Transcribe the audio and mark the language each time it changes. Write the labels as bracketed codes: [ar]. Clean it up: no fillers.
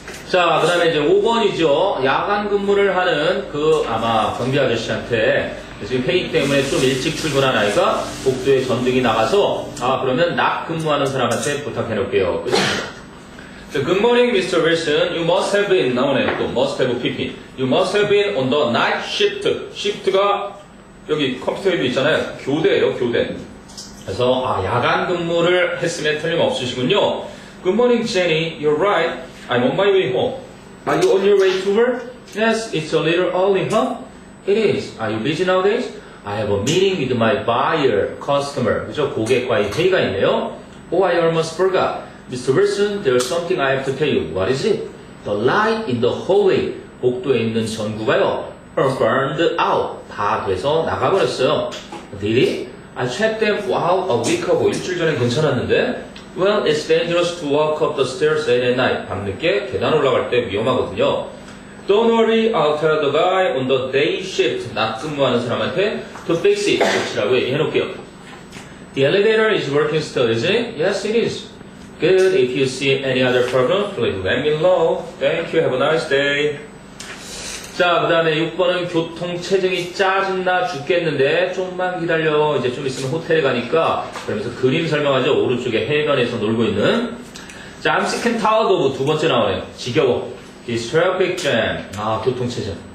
[ko] 자, 그 다음에 이제 5번이죠. 야간 근무를 하는 그 아마 경비 아저씨한테 지금 회의 때문에 좀 일찍 출근한 아이가 복도에 전등이 나가서 아 그러면 낮 근무하는 사람한테 부탁해놓을게요. 끝입니다. [en] So, good morning, Mr. Wilson. You must have been, [ko] 나오네요. 또, [en] must have peeping. You must have been on the night shift. [ko] Shift가 여기 컴퓨터에도 있잖아요. 교대예요, 교대. 그래서, 아, 야간 근무를 했으면 틀림없으시군요. [en] Good morning, Jenny. You're right. I'm on my way home. Are you on your way to work? Yes, it's a little early, huh? It is. Are you busy nowadays? I have a meeting with my buyer, customer. [ko] 그죠? 고객과의 회의가 있네요. [en] Oh, I almost forgot. Mr. Wilson, there's something I have to tell you. What is it? The light in the hallway, [ko] 복도에 있는 전구가요, [en] burned out, [ko] 다 돼서 나가버렸어요. [en] Did it? I checked them out a week ago, [ko] 일주일 전에 괜찮았는데. [en] Well, it's dangerous to walk up the stairs late at night. [ko] 밤늦게 계단 올라갈 때 위험하거든요. [en] Don't worry, I'll tell the guy on the day shift, [ko] 낮 근무하는 사람한테 [en] to fix it, [ko] 고치라고 얘기해놓을게요. [en] The elevator is working still, is it? Yes, it is. Good. If you see any other problem, please let me know. Thank you. Have a nice day. [ko] 자, 그 다음에 6번은 교통체증이 짜증나 죽겠는데 좀만 기다려. 이제 좀 있으면 호텔에 가니까. 그러면서 그림 설명하죠. 오른쪽에 해변에서 놀고 있는. [en] 자, I'm sick and tired of. [ko] 두 번째 나오네요. 지겨워. [en] This traffic jam. [ko] 아, 교통체증.